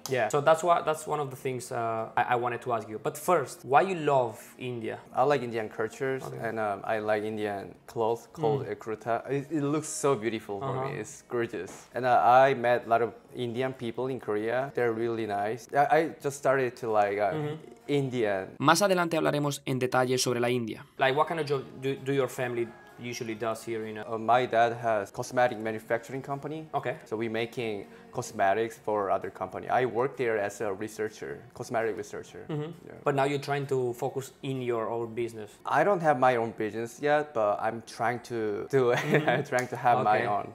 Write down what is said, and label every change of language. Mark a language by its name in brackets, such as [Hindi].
[English] Yeah, so that's one of the things I wanted to ask you. But first, why you love India? I like Indian cultures and I like Indian clothes called kurta. It looks so beautiful for me. It's gorgeous. And I met a lot of Indian people in Korea. They're really nice. I just started to like Indian. [Spanish] Más adelante hablaremos en detalle sobre la India. [English] Like, what kind of job do your family usually does here in My dad has cosmetic manufacturing company. Okay. So we're making cosmetics for other company. I work there as a researcher, cosmetic researcher. Mm-hmm. Yeah. But now you're trying to focus in your own business. I don't have my own business yet, but I'm trying to do it. I'm trying to have my own.